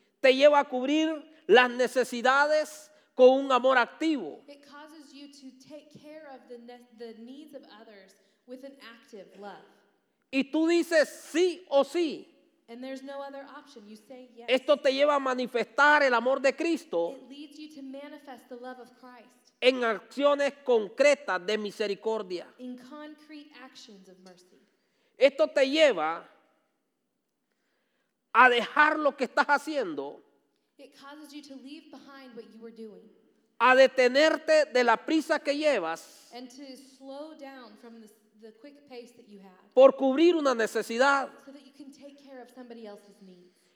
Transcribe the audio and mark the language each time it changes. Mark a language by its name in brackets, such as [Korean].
[Spanish] te lleva a cubrir las necesidades con un amor activo. [English] It causes you to take care of the needs of others with an active love. [Spanish] Y tú dices sí o sí. [English] And there's no other option. You say yes. [Spanish] Esto te lleva a manifestar el amor de Cristo. [English] It leads you to manifest the love of Christ. [Spanish] En acciones concretas de misericordia. [English] In concrete actions of mercy. [Spanish] Esto te lleva a dejar lo que estás haciendo. [English] It causes you to leave behind what you were doing. [Spanish] a detenerte de la prisa que llevas [English] and to slow down from the quick pace that you have [Spanish] por cubrir una necesidad. [English] So that you can take care of somebody else's needs.